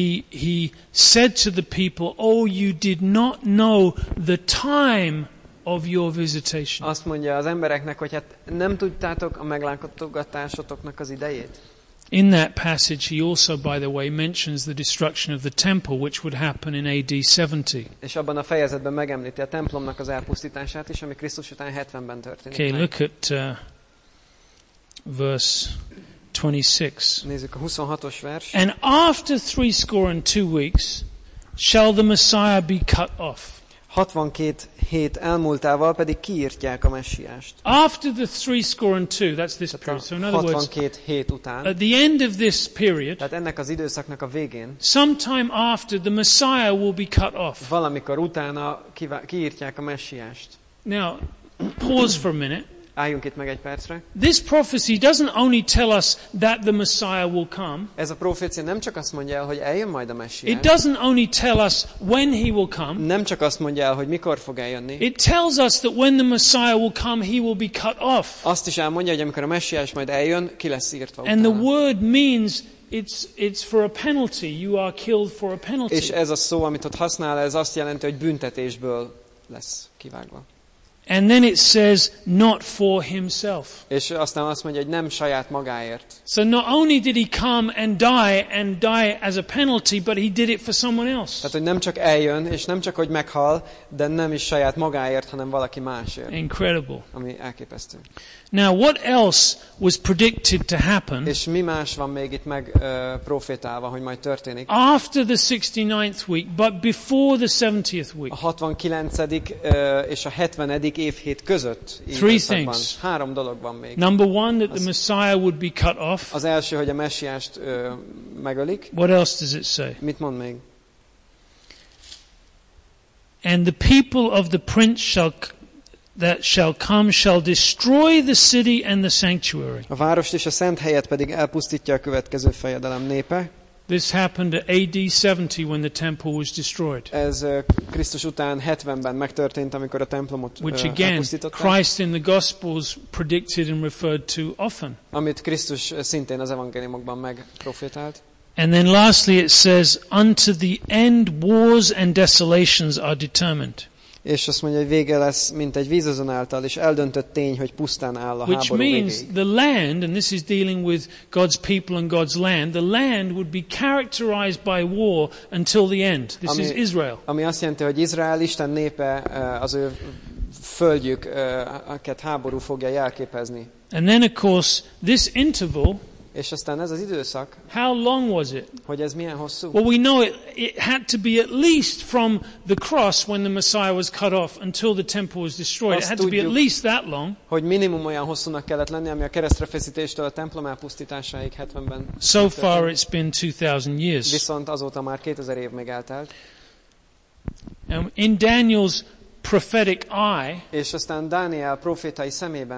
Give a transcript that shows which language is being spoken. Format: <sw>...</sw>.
<en>He said to the people, "Oh, you did not know the time of your visitation."</en> <hu>Azt mondja az embereknek, hogy hát nem tudtátok a meglátogatásotoknak az idejét.</hu> <en>In that passage he also, by the way, mentions the destruction of the temple, which would happen in AD 70.</en> <hu>És abban a fejezetben megemlíti a templomnak az elpusztítását is, ami Krisztus után 70-ben történik.</hu> <en>Okay, look at verse 26.</en> <hu>Nézzük a 26-os vers.</hu> <en>And after 62 weeks shall the Messiah be cut off.</en> <hu>62 hét elmúltával pedig kiírtják a messiást.</hu> <en>After the 62, that's this period. So in other words,</en> <hu>62 hét után.</hu> <en>At the end of this period.</en> <hu>Tehát ennek az időszaknak a végén.</hu> <en>Sometime after the Messiah will be cut off.</en> <hu>Valamikor utána kiírtják a messiást.</hu> <en>Now, pause for a minute.</en> <hu>Álljunk itt meg egy percre.</hu> <en>This prophecy doesn't only tell us that the Messiah will come.</en> <hu>Ez a prófécia nem csak azt mondja el, hogy eljön majd a Messiás.</hu> <en>It doesn't only tell us when he will come.</en> <hu>Nem csak azt mondja el, hogy mikor fog eljönni.</hu> <en>It tells us that when the Messiah will come, he will be cut off.</en> <hu>Azt is elmondja, hogy amikor a Messiás majd eljön, ki lesz írtva utána.</hu> <en>And the word means it's for a penalty. You are killed for a penalty.</en> <hu>És ez a szó, amit ott használ, ez azt jelenti, hogy büntetésből lesz kivágva.</hu> <en>And then it says not for himself.</en> <hu>És aztán azt mondja, hogy nem saját magáért.</hu> <en>So not only did he come and die as a penalty, but he did it for someone else.</en> <hu>Tehát hogy nem csak eljön és nem csak hogy meghal, de nem is saját magáért, hanem valaki másért.</hu> <en>Incredible.</en> <hu>Ami elképesztő.</hu> <en>Now what else was predicted to happen?</en> <hu>És mi más van még itt meg profétálva, hogy majd történik?</hu> <en>After the 69th week, but before the 70th week.</en> <hu>A 69. És a 70. év hét között.</hu> <en>Three things.</en> <hu>Három dolog van még.</hu> <en>Number one, that the Messiah would be cut off.</en> <hu>Az első, hogy a Messiást megölik.</hu> <en>What else does it say?</en> <hu>Mit mond még?</hu> <en>And the people of the prince shall come shall destroy the city and the sanctuary.</en> <hu>A várost és a szent helyet pedig elpusztítja a következő fejedelem népe.</hu> <en>This happened at AD 70 when the temple was destroyed.</en> <hu>Ez Krisztus után 70-ben megtörtént, amikor a templomot elpusztították.</hu> <en>Which again, Christ in the Gospels predicted and referred to often.</en> <hu>Amit Krisztus szintén az evangéliumokban megprofétált.</hu> <en>And then lastly it says unto the end wars and desolations are determined.</en> <hu>És azt mondja, hogy vége lesz, mint egy vízözön által, és eldöntött tény, hogy pusztán áll a háború.</hu> <en>Which means the land, and this is dealing with God's people and God's land, the land would be characterized by war until the end. This is Israel.</en> <hu>Ami azt jelenti, hogy Izrael, Isten népe, az ő földjük, akiket háború fogja jelképezni.</hu> <en>And then of course, this interval,</en> <hu>és aztán ez az időszak.</hu> <en>How long was it?</en> <hu>Hogy ez milyen hosszú?</hu> <en>Well, we know it had to be at least from the cross when the Messiah was cut off until the temple was destroyed.</en> <hu>Azt</hu> <en>it had to</en> <hu>tudjuk,</hu> <en>be at least that long.</en> <hu>Hogy minimum olyan hosszúnak kellett lenni, ami a keresztre feszítéstől a templom elpusztításáig 70-ben.</hu> <en>So far it's been 2000 years.</en> <hu>Viszont azóta már 2000 év még eltelt.</hu> <en>In Daniel's prophetic eye,</en> <hu>és aztán Dániel profétai szemében,</hu>